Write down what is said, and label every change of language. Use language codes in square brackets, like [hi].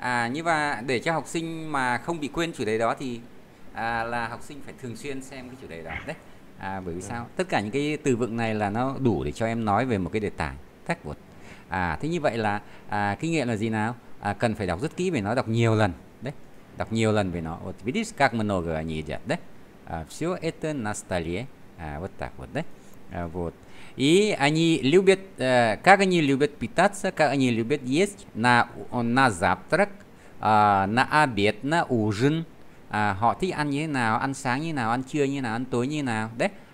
[vi] Như và để cho học sinh mà không bị quên chủ đề đó thì là học sinh phải thường xuyên xem cái chủ đề đó đấy. Bởi vì sao? Tất cả những cái từ vựng này là nó đủ để cho em nói về một cái đề tài thách vượt. Thế như vậy là kinh nghiệm là gì nào? Cần phải đọc rất kỹ về nó, đọc nhiều lần đấy, đọc nhiều lần về nó. [ru] Вот видишь, как много они едят, đấy. Все это на столе. Вот так вот, да? Вот. И они любят, как они любят питаться, как они любят есть на завтрак, на обед, на ужин. [vi] Họ thích ăn như thế nào, ăn sáng như nào, ăn trưa như nào, ăn tối như nào, đấy.